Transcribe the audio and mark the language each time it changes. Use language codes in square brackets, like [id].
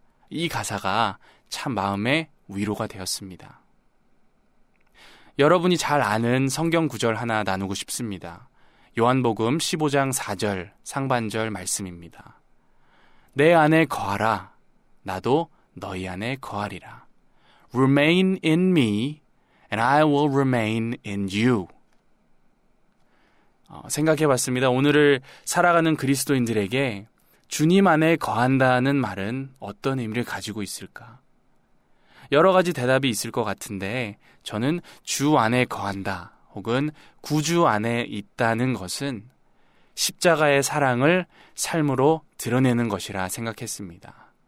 [ko] 이 가사가 참 마음에 위로가 되었습니다. 여러분이 잘 아는 성경 구절 하나 나누고 싶습니다. 요한복음 15장 4절 상반절 말씀입니다. 내 안에 거하라. 나도 너희 안에 거하리라. [en] Remain in me and I will remain in you. [ko] 생각해봤습니다. 오늘을 살아가는 그리스도인들에게 주님 안에 거한다는 말은 어떤 의미를 가지고 있을까? 여러 가지 대답이 있을 것 같은데 저는 주 안에 거한다 혹은 구주 안에 있다는 것은 십자가의 사랑을 삶으로 드러내는 것이라 생각했습니다.